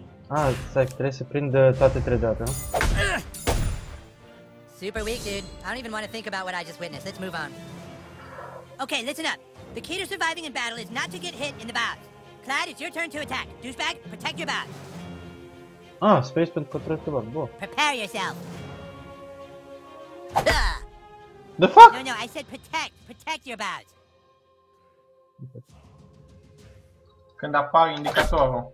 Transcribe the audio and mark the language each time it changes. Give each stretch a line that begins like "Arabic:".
Romanian: Ah, sec, trebuie să prind toate trei date, no?
English: Super weak, dude. I don't even want to think about what I just witnessed. Let's move on. Okay, listen up. The key to surviving in battle is not to get hit in the bow. Clyde, it's your turn to attack. Douchebag, protect your bow.
Romanian: Ah, space pentru controlul tău, bă.
English: Prepare yourself. The fuck? No, no, I said protect. Protect your bow.
Romanian: Când apare indicatorul.